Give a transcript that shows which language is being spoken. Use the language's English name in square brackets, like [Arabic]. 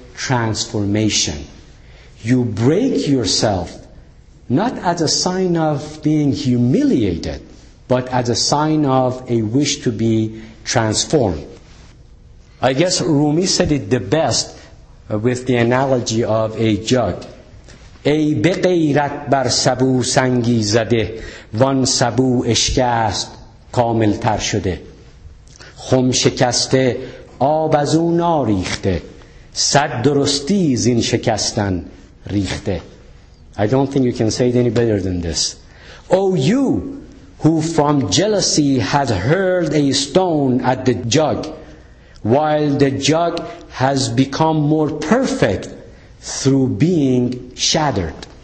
[English] transformation. You break yourself not as a sign of being humiliated, but as a sign of a wish to be transformed. I guess Rumi said it the best with the analogy of a jug. [Persian] ای به غیرت بر سبو سنگی زده وان سبو اشکست کامل تر شده خم شکسته آب از او ناریخته صد درستی زین شکستن ریخته. [English] I don't think you can say it any better than this. Oh, you who from jealousy has hurled a stone at the jug, while the jug has become more perfect through being shattered.